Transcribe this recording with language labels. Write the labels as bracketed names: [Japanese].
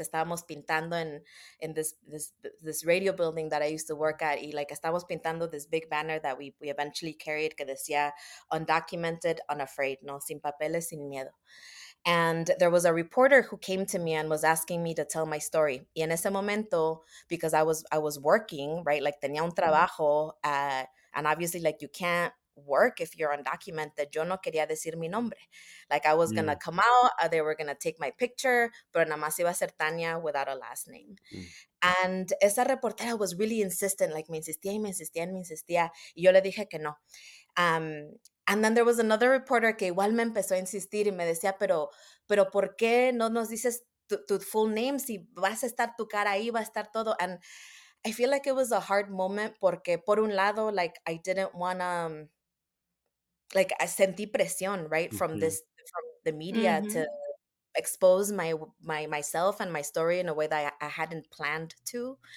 [Spanish] Estábamos pintando [English] in this radio building that I used to work at. Y like, [Spanish] estábamos pintando [English] this big banner that we eventually carried [Spanish] que decía [English] undocumented, unafraid, no, [Spanish] sin papeles, sin miedo. [English] And there was a reporter who came to me and was asking me to tell my story. [Spanish] Y en ese momento, [English] because I was working, right? Like, [Spanish] tenía un trabajo. [English] And obviously, like, you can't work if you're undocumented. [Spanish] Yo no quería decir mi nombre. [English] Like, I was going to come out. They were going to take my picture. [Spanish] Pero nada más iba a ser Tania without a last name. And esa reportera [English] was really insistent. [Spanish] Like, me insistía. Y yo le dije que no. [English] And then there was another reporter [Spanish] que igual me empezó a insistir y me decía, pero ¿por qué no nos dices tu full name? Si vas a estar tu cara ahí, va a estar todo. [English] And I feel like it was a hard moment [Spanish] porque por un lado, [English] like, I didn't want to, like, I [Spanish] sentí presión, [English] right, from this, from the media to expose myself and my story in a way that I hadn't planned to.